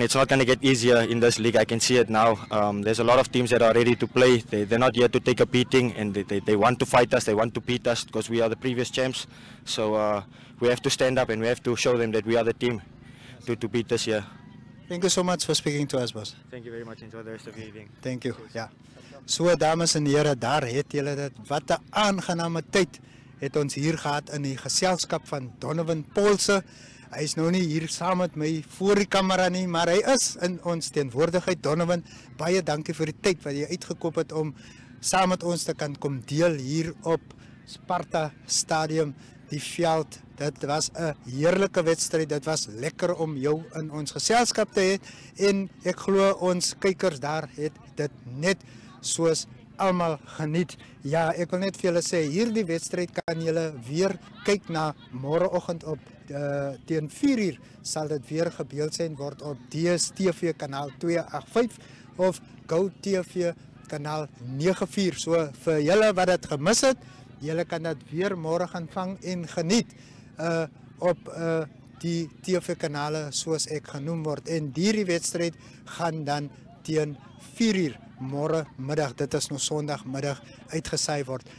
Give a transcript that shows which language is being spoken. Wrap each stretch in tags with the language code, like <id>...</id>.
<en>It's not going to get easier in this league. I can see it now. There's a lot of teams that are ready to play. They're not here to take a beating and they want to fight us. They want to beat us because we are the previous champs. So we have to stand up and we have to show them that we are the team to beat this year. Thank you so much for speaking to us, boss. Thank you very much. Enjoy the rest of the evening. Thank you. Yeah.</en> <af>So, dames en heren, daar het julle dit. Wat 'n aangename tyd het ons hier gehad in die geselskap van Donovan Paulse. Hy is nou nie hier saam met my voor die kamera nie, maar hy is in ons teenwoordigheid. Donovan, baie dankie vir die tyd wat jy uitgekoop het om saam met ons te kan kom deel hier op Sparta Stadium, die veld. Dit was 'n heerlike wedstrijd, dit was lekker om jou in ons geselskap te hê. En ek glo ons kykers daar het dit net soos almal geniet. Ja, ek wil net vir julle sê, hierdie wedstrijd kan julle weer kyk na môreoggend op. Teen 4 uur sal dit weer gebeeld sien word op DSTV kanaal 285 of GoTV kanaal 94. So vir julle wat dit gemis het, julle kan dit weer môre gaan vang en geniet op die TV kanale soos ek genoem word. En die wedstrijd gaan dan teen 4 uur môre middag, dit is nou sondagmiddag, uitgesaai word.</af>